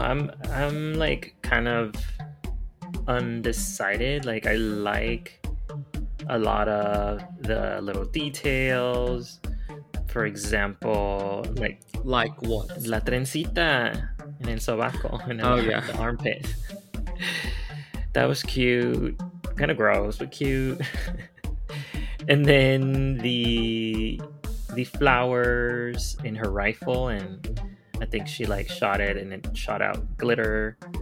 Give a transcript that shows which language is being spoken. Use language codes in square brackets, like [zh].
[en] I'm like kind of undecided. Like I like a lot of the little details. For example, like what? [es] La trencita en el sobaco. [en] And oh yeah, the armpit. That was cute, kind of gross but cute. And then the flowers in her rifle, and I think she like shot it and it shot out glitter.